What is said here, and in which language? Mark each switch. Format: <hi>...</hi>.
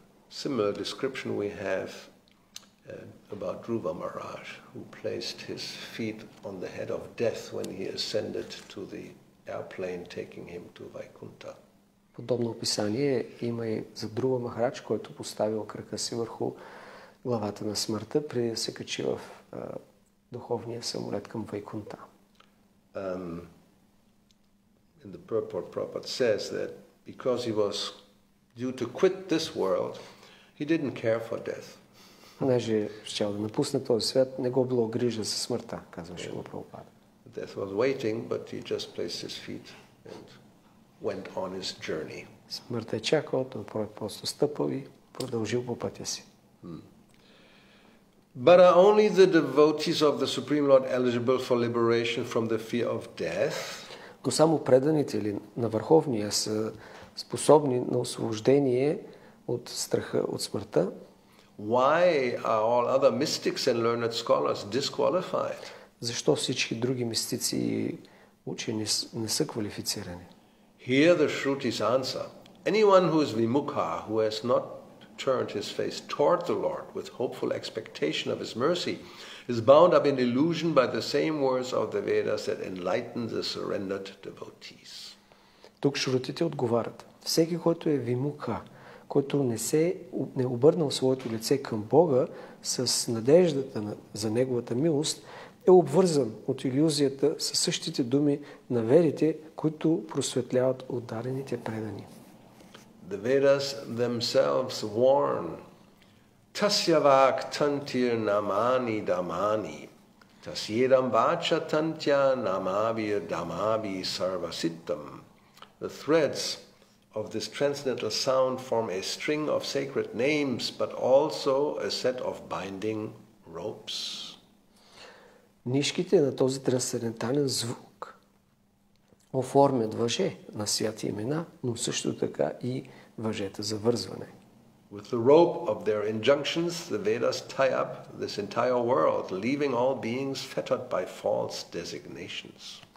<en>Similar description we have about Dhruva Maharaj, who placed his feet on the head of death when he ascended to the airplane taking him to Vaikunta.</en> <bg>Подобно описание има и за Друва Махарадж, който поставил крака си върху главата на смъртта, преди да се качи в духовния самолет към Вайкунта.</bg> <en>In the purport, Prabhupada says that because he was due to quit this world, he didn't care for death.</en> <bg>Понеже щял да напусне този свят, не го било грижа за смъртта, казва Шрила Прабхупада.</bg> <en>Death was waiting, but he just placed his feet and went on his journey.</en> <bg>Смъртта е чакал, той просто стъпал и продължил по пътя си.</bg> <en>But are only the devotees of the Supreme Lord eligible for liberation from the fear of death?</en> <bg>Но само преданите ли на Върховния са способни на освобождение от страха от смъртта?</bg> <en>Why are all other mystics and learned scholars disqualified?</en> <bg>Защо всички други мистици и учени не са квалифицирани?</bg> <en>Hear the Shruti's answer. Anyone who is vimukha, who has not turned his face toward the Lord with hopeful expectation of his mercy, is bound up in illusion by the same words of the Vedas that enlighten the surrendered devotees.</en> <bg>Тук шрутите отговарят. Всеки, който е вимука, който не е обърнал своето лице към Бога с надеждата за неговата милост, е обвързан от илюзията със същите думи на ведите, които просветляват отдарените предани.</bg> <en>The Vedas themselves warn</en> <sa>Tasya vak tantir namani damani Tasyedam vacha tantya namavir damavi sarvasittam.</sa> <en>The threads of this transcendental sound form a string of sacred names, but also a set of binding ropes.</en> <bg>Нишките на този трансцендентален звук оформят въже на святи имена, но също така и въжета за вързване.</bg> <en>With the rope of their injunctions, the Vedas tie up this entire world, leaving all beings fettered by false designations.</en>